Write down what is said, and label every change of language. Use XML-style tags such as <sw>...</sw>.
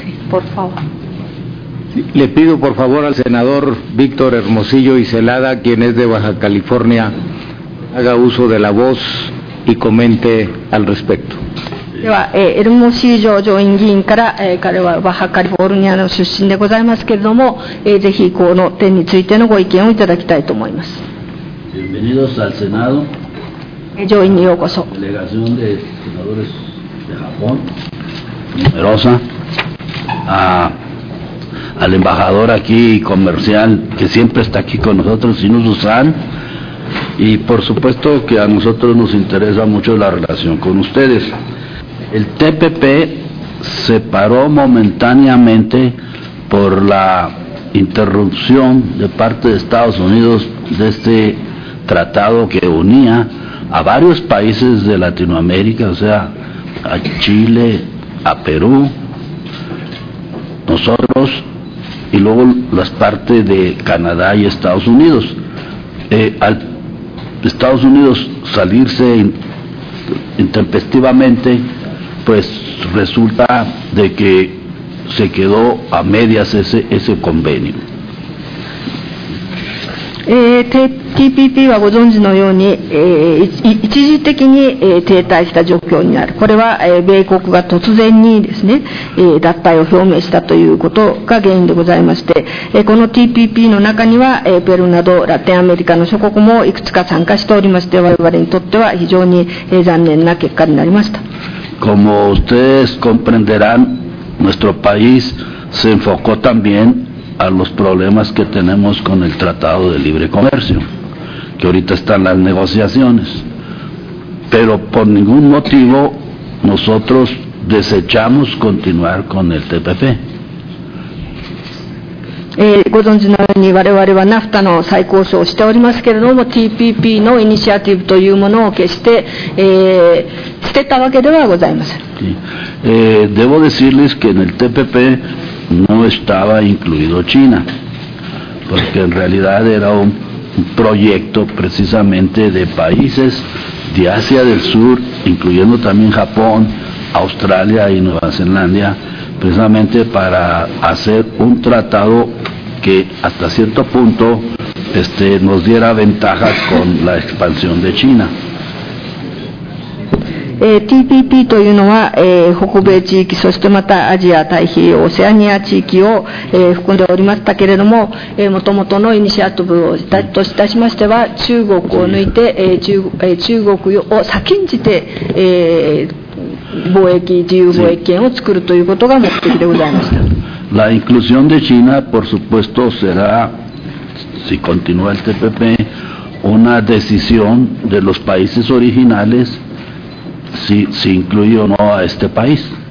<es>Por favor. Le pido por favor al senador Víctor Hermosillo y Celada, quien es de Baja California, haga uso de la voz y comente al respecto.</es> <ja>では、エルモシー上上院議員から、彼はバハカリフォルニアの出身でございますけれども、ぜひこの点についてのご意見をいただきたいと思います。</ja> <es>Bienvenidos al Senado.</es> <ja>上院にようこそ。</ja> <es>Delegación de senadores de Japón, numerosa. Al embajador aquí comercial que siempre está aquí con nosotros, Shinuzu-san, y por supuesto que a nosotros nos interesa mucho la relación con ustedes. El TPP se paró momentáneamente por la interrupción de parte de Estados Unidos de este tratado que unía a varios países de Latinoamérica, o sea, a Chile, a Perú, nosotros y luego las partes de Canadá y Estados Unidos. Al Estados Unidos salirse intempestivamente... pues resulta de que se quedó a medias ese convenio.</es> <ja>TPP はご存知のように、一時的に、停滞した状況にある。これは、米国が突然にですね、脱退を表明したということが原因でございまして、この TPP の中には、ペルーなどラテンアメリカの諸国もいくつか参加しておりまして、我々にとっては非常に、残念な結果になりました。</ja> <es>Como ustedes comprenderán, nuestro país se enfocó también a los problemas que tenemos con el Tratado de Libre Comercio, que ahorita están las negociaciones. Pero por ningún motivo nosotros desechamos continuar con el TPP.</es> <ja>ご存知のように我々はナフタの再交渉をしておりますけれども、 TPP のイニシアティブというものを決して、捨てたわけではございません。</ja> <es>Debo decirles que en el TPP no estaba incluido China, porque en realidad era un proyecto precisamente de países de Asia del Sur, incluyendo también Japón, Australia y Nueva Zelanda, precisamente para hacer un tratadoque hasta cierto punto nos diera ventajas con la expansión de China.</es> <ja>TPP というのは、北米地域、そしてまたアジア、太平洋、オセアニア地域を、含んでおりましたけれども、もともとのイニシアトブをといたしましては、中国を抜いて、中国を先んじて、貿易、自由貿易圏を作るということが目的でございました。</ja> <es>La inclusión de China, por supuesto, será, si continúa el TPP, una decisión de los países originales si incluye o no a este país.</es>